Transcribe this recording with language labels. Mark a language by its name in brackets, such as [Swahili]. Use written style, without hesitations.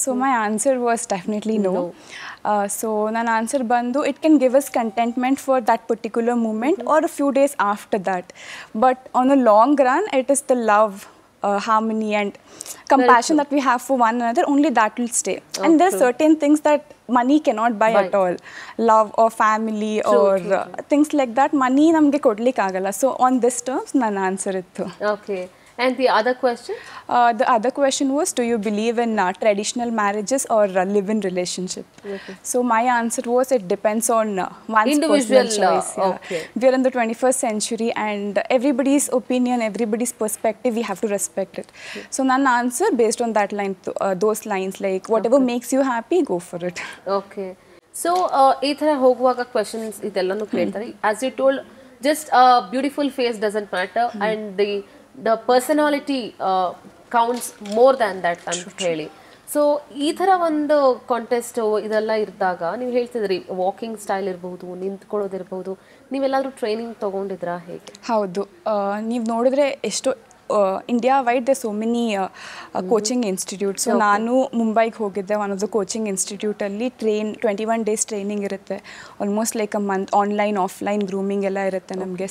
[English] So my answer was definitely no. So [Kannada] ನನ್ನ answer ಬಂದು [English] It can give us contentment for that particular moment or a few days after that, but on a long run it is the love, harmony and compassion that we have for one another, only that will stay. And there certain things that money cannot buy at all, love or family or things like that money [Kannada] ನಮಗೆ ಕೊಡ್ಲಿಕ್ಕೆ ಆಗಲ್ಲ. [English] so on this terms [Kannada] ನನ್ನ answer ಇತ್ತು. [English] Okay, and the other question, the other question was, do you believe in traditional marriages or live in relationship? Okay. So my answer was, it depends on one's individual personal choice. Okay. Yeah. We are in the 21st century and everybody's opinion, everybody's perspective, we have to respect it. Okay. So [Kannada] nan [English] answer based on that line, those lines, like whatever makes you happy, go for it. [Kannada] Okay, so ee tara hoguvaga questions idellannu kelthare. [English] As you told, just a beautiful face doesn't matter. And the personality counts more than that [Kannada] ಅಂತ ಹೇಳಿ. So ಈ ಥರ ಒಂದು contest ಇದೆಲ್ಲ ಇದ್ದಾಗ ನೀವು ಹೇಳ್ತಿದ್ರಿ walking style ಇರ್ಬೋದು, ನಿಂತ್ಕೊಳ್ಳೋದಿರ್ಬೋದು, ನೀವೆಲ್ಲಾದರೂ training ತೊಗೊಂಡಿದ್ರಾ ಹೇಗೆ? ಹೌದು, ನೀವು ನೋಡಿದ್ರೆ ಎಷ್ಟು [English] India wide the so many coaching institute. [Kannada] So ನಾನು ಮುಂಬೈಗೆ ಹೋಗಿದ್ದೆ, [English] one of the [Kannada] coaching ಇನ್ಸ್ಟಿಟ್ಯೂಟಲ್ಲಿ 21 days training ಇರುತ್ತೆ, [English] almost like a month [Kannada] online offline grooming ಎಲ್ಲ ಇರುತ್ತೆ ನಮಗೆ.